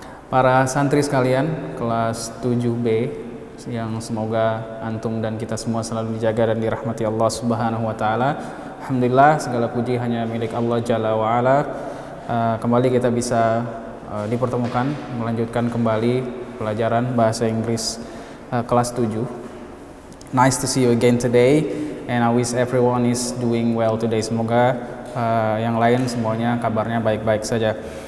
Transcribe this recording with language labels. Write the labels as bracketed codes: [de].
[id] Para santri sekalian kelas 7B yang semoga antum dan kita semua selalu dijaga dan dirahmati Allah subhanahu wa ta'ala. Alhamdulillah, segala puji hanya milik Allah jalla wa ala. Kembali kita bisa dipertemukan, melanjutkan kembali pelajaran bahasa Inggris kelas 7. [en] Nice to see you again today, and I wish everyone is doing well today. [id] Semoga yang lain semuanya kabarnya baik-baik saja.